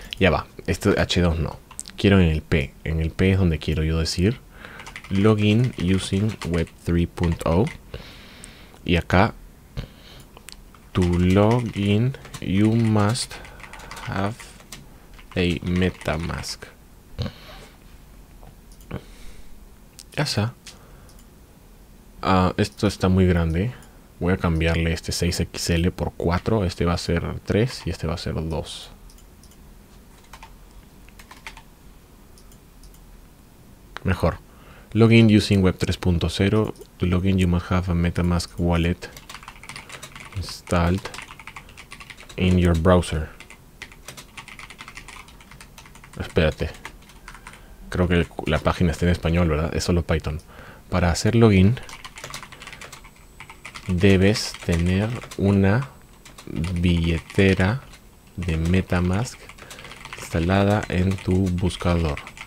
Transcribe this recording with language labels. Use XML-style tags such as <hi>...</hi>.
<es>Ya va, esto H2 no. Quiero en el P. En el P es donde quiero yo decir</es> <en>Login using Web3.0.</en> <es>Y acá,</es> <en>to login, you must have a MetaMask.</en> <es>Ya está. Esto está muy grande. Voy a cambiarle este 6XL por 4. Este va a ser 3 y este va a ser 2. Mejor.</es> <en>Login using Web3.0. To login, you must have a MetaMask wallet installed in your browser.</en> <es>Espérate. Creo que la página está en español, ¿verdad? Es solo Python. Para hacer login, debes tener una billetera de MetaMask instalada en tu buscador.</es>